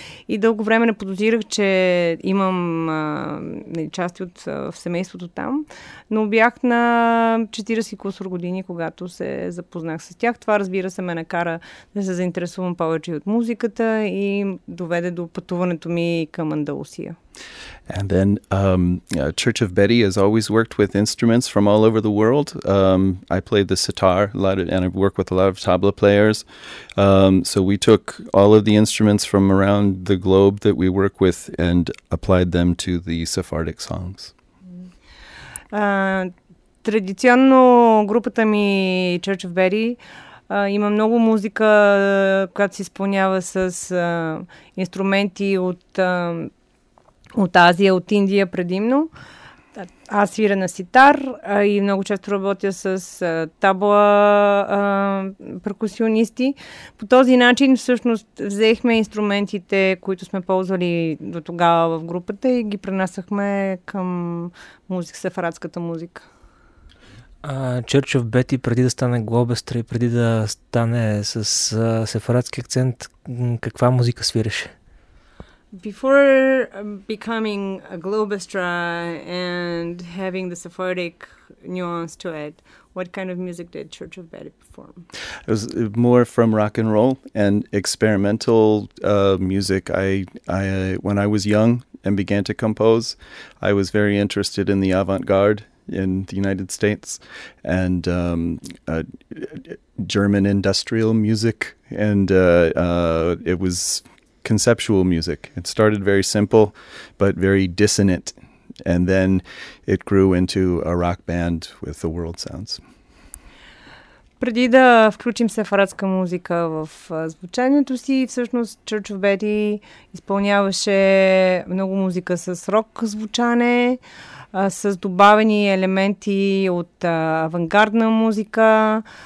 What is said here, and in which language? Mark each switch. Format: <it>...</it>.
<bg>И дълго време не подозирах, че имам части от семейството там, но бях на 40 кусор години, когато се запознах с тях. Това, разбира се, ме накара да се заинтересувам повече от музиката и доведе до пътуването ми към Андалусия.</bg> <en>And then Church of Betty has always worked with instruments from all over the world. I played the sitar a lot, and I've worked with a lot of tabla players. So we took all of the instruments from around the globe that we work with and applied them to the Sephardic songs.</en> <bg>Традиционно групата ми Church of Betty има много музика, която се изпълнява с инструменти от Азия, от Индия предимно. Аз свира на ситар и много често работя с табла перкусионисти. По този начин всъщност взехме инструментите, които сме ползвали до тогава в групата и ги пренасахме към сефарадската музика. Church of Betty, преди да стане глобестра и преди да стане с сефарадски акцент, каква музика свираше?</bg> <en>Before becoming a globestra and having the Sephardic nuance to it, what kind of music did Church of Betty perform? It was more from rock and roll and experimental music. When I was young and began to compose, I was very interested in the avant-garde in the United States and German industrial music, and it was conceptual music. It started very simple, but very dissonant, and then it grew into a rock band with the world sounds.</en> <bg>Преди да включим сефарадска музика в звучанието си, всъщност Church of Betty изпълняваше много музика с рок звучане, с добавени елементи от авангардна музика.</bg>